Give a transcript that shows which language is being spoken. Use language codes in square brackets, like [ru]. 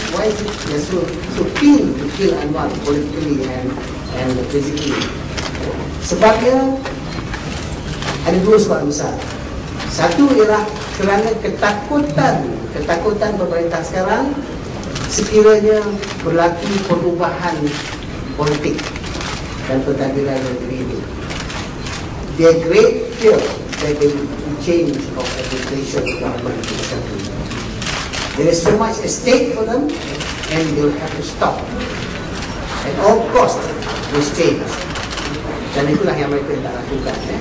[en] Why is it so keen to kill Anwar politically and physically? [ms] Sebabnya ada dua sebab besar. Satu ialah kerana ketakutan pemerintah sekarang sekiranya berlaku perubahan politik dan pertadbiran negeri ini. [en] The great fear that there will be change of administration of government in the country. There is so much at stake for them and they will have to stop. At all cost, this change. [ms] Dan itulah yang mereka tak lakukan.